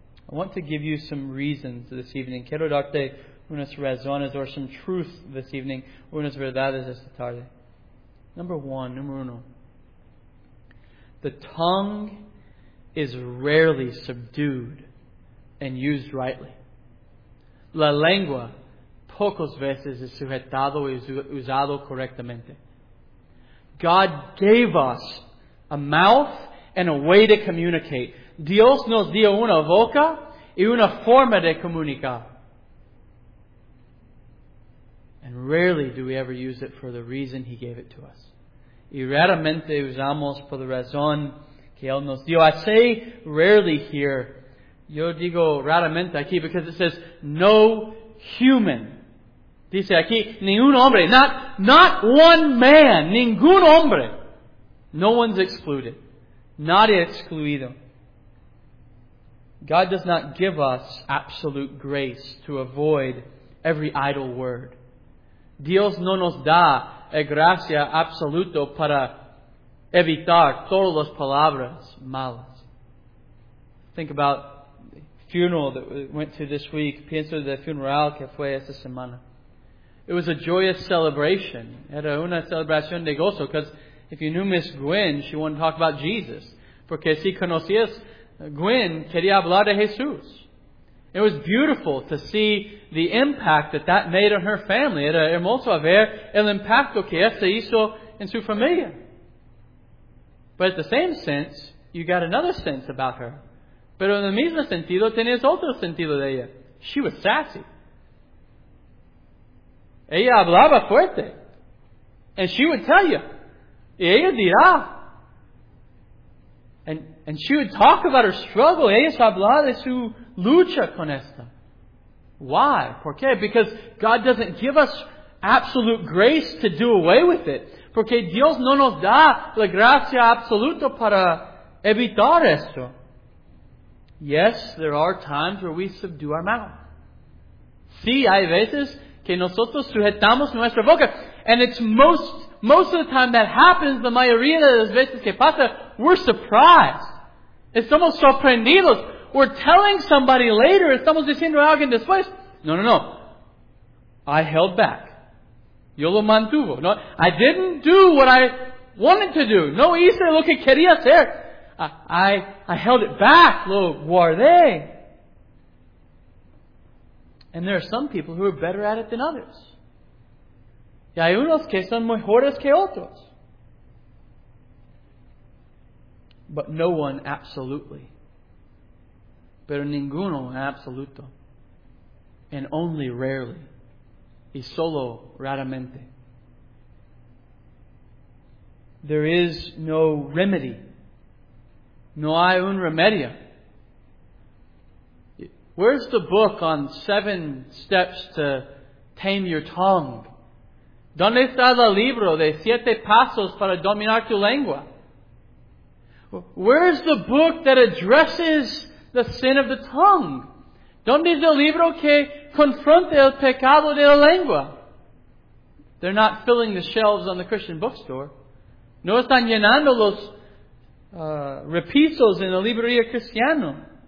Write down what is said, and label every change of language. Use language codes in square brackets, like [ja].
[en] I want to give you some reasons this evening. [es] Quiero darte unas razones [en] or some truth this evening, [es] unas verdades esta tarde. Número uno. [en] The tongue is rarely subdued and used rightly. [es] La lengua pocas veces es sujetado y usado correctamente. [en] God gave us a mouth and a way to communicate. [es] Dios nos dio una boca y una forma de comunicar. [en] And rarely do we ever use it for the reason He gave it to us. [es] Y raramente usamos por la razón que Él nos dio. [en] I say rarely here. [es] Yo digo raramente aquí [en] because it says no human. [es] Dice aquí, ni un hombre. [en] Not one man. [es] Ningún hombre. [en] No one's excluded. [es] Nadie excluido. [en] God does not give us absolute grace to avoid every idle word. [es] Dios no nos da gracia absoluta para evitar todas las palabras malas. [en] Think about the funeral that we went to this week. [es] Pienso de funeral que fue esta semana. [en] It was a joyous celebration. [es] Era una celebración de gozo. [en] Because if you knew Miss Gwen, she wanted to talk about Jesus. [es] Porque si conocías Gwen, quería hablar de Jesús. [en] It was beautiful to see the impact that that made on her family. [es] Era hermoso a ver el impacto que esto hizo en su familia. [en] But at the same sense, you got another sense about her. [es] Pero en el mismo sentido, tenías otro sentido de ella. [en] She was sassy. [es] Ella hablaba fuerte. [en] And she would tell you. [es] Y ella dirá. [en] And she would talk about her struggle. [es] Ella hablaba de su lucha con esta. [en] Why? [es] ¿Por qué? [en] Because God doesn't give us absolute grace to do away with it. [es] Porque Dios no nos da la gracia absoluta para evitar esto. [en] Yes, there are times where we subdue our mouth. [es] Sí, hay veces que nosotros sujetamos nuestra boca. [en] And it's most of the time that happens, the [es] mayoría de las veces que pasa, [en] we're surprised. [es] Estamos sorprendidos. [en] We're telling somebody later, [es] estamos diciendo a alguien después. [en] No. I held back. [es] Yo lo mantuvo. [en] No, I didn't do what I wanted to do. [es] No hice lo que quería hacer. [en] I held it back. [es] Lo guardé. [en] And there are some people who are better at it than others. [es] Y hay unos que son mejores que otros. [en] But no one absolutely. [es] Pero ninguno en absoluto. [en] And only rarely. [es] Y solo raramente. [en] There is no remedy. [es] No hay un remedio. [en] Where's the book on 7 steps to tame your tongue? [es] ¿Dónde está el libro de 7 pasos para dominar tu lengua? [en] Where's the book that addresses the sin of the tongue? [es] ¿Dónde está el libro que confronta el pecado de la lengua? [en] They're not filling the shelves on the Christian bookstore. [es] No están llenando los repisos en la librería cristiana.